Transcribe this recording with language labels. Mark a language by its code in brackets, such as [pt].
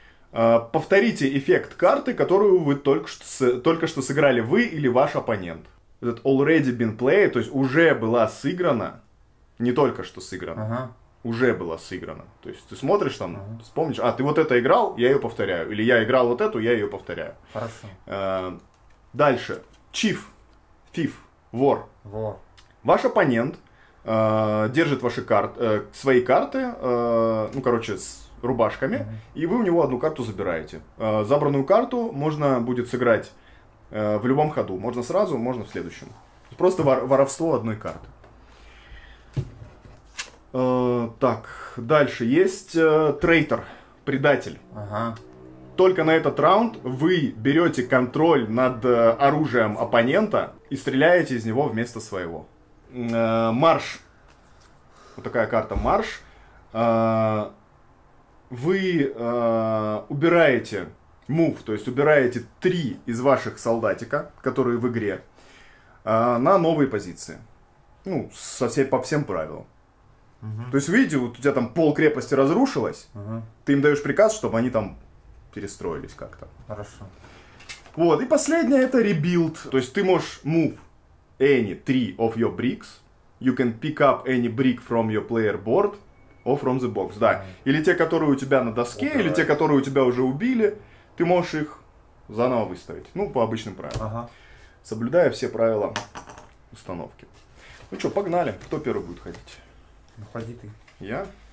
[ru] Повторите эффект карты, которую вы только что сыграли, вы или ваш оппонент. Этот [en] already been played, [ru] то есть уже была сыграна, не только что сыграна, уже была сыграна. То есть ты смотришь там, вспомнишь, а ты вот это играл, я ее повторяю. Или я играл вот эту, я ее повторяю. Хорошо. Дальше. [en] Chief, thief, вор. [ru] Вор. Ваш оппонент держит ваши карты, свои карты, ну короче, с рубашками, и вы у него одну карту забираете. Забранную карту можно будет сыграть... в любом ходу. Можно сразу, можно в следующем. Просто воровство одной карты. Так, дальше. Есть трейтер, предатель. Ага. Только на этот раунд вы берете контроль над оружием оппонента и стреляете из него вместо своего. Марш. Вот такая карта. Марш. Вы убираете... мув, то есть убираете 3 из ваших солдатика, которые в игре, на новые позиции. Ну, по всем правилам. Угу. То есть, видите, вот у тебя там пол крепости разрушилось, ты им даешь приказ, чтобы они там перестроились как-то. Хорошо. Вот, и последнее это rebuild. То есть ты можешь [en] move any 3 of your bricks. You can pick up any brick from your player board or from the box. [ru] Да. Или те, которые у тебя на доске, убирать. Или те, которые у тебя уже убили. Ты можешь их заново выставить. Ну, по обычным правилам. Ага. Соблюдая все правила установки. Ну что, погнали. Кто первый будет ходить? Ну, ходи ты. Я?